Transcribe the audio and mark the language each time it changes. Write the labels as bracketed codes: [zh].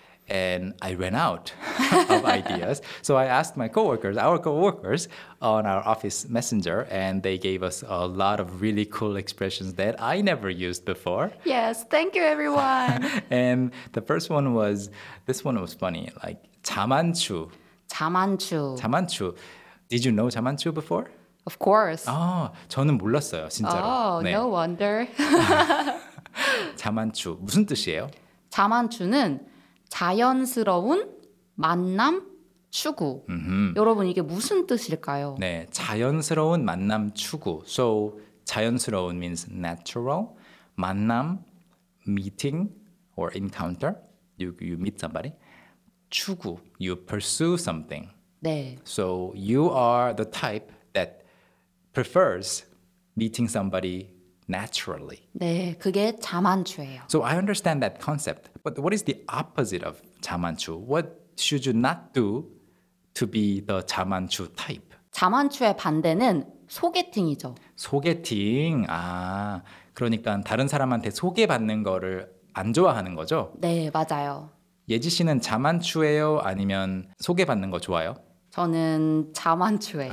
[en] And I ran out of ideas. So I asked my coworkers, our coworkers, on our office messenger, and they gave us a lot of really cool expressions that I never used before. Yes, thank you, everyone. And the first one was, this one was funny, like 자만추. [ko] 자만추. [en] 자만추. Did you know 자만추 before? Of course. [ko] 아, 저는 몰랐어요, 진짜로. [en] Oh, [ko] 네. [en] No wonder. [ko] 자만추, 무슨 뜻이에요? 자만추는 자연스러운 만남 추구. Mm-hmm. 여러분 이게 무슨 뜻일까요? 네, 자연스러운 만남 추구. [en] So 자연스러운 means natural. 만남, meeting or encounter. You meet somebody. 추구, you pursue something. [ko] 네. [en] So you are the type that prefers meeting somebody naturally. [ko] 네, 그게 자만추예요. [en] So I understand that concept. But what is the opposite of 자만추? What should you not do to be the 자만추 type? [ko] 자만추의 반대는 소개팅이죠. 소개팅. 아, 그러니까 다른 사람한테 소개받는 거를 안 좋아하는 거죠? 네, 맞아요. 예지 씨는 자만추예요? 아니면 소개받는 거 좋아요? 저는 자만추예요.